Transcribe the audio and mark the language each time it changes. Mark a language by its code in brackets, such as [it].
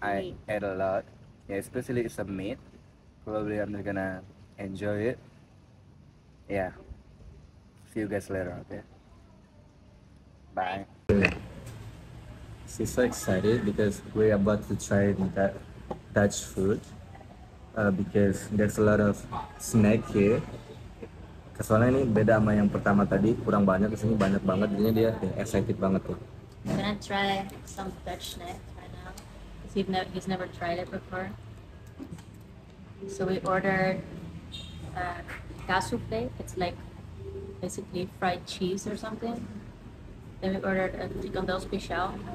[en] I ate a lot. Yeah, especially it's a meat. Probably I'm just gonna enjoy it. Yeah. See you guys later, okay? Bye. She's so excited because we're about to try that Dutch food. Because there's a lot of snack here. [id] Soalnya ini beda sama yang pertama tadi, kurang banyak, kesini banyak banget. Jadi dia excited banget tuh. [en] I'm gonna try some Dutch snack right now. He's never tried it before. So we ordered kaasoufle. It's like basically fried cheese or something. Then we ordered a fricandelle special.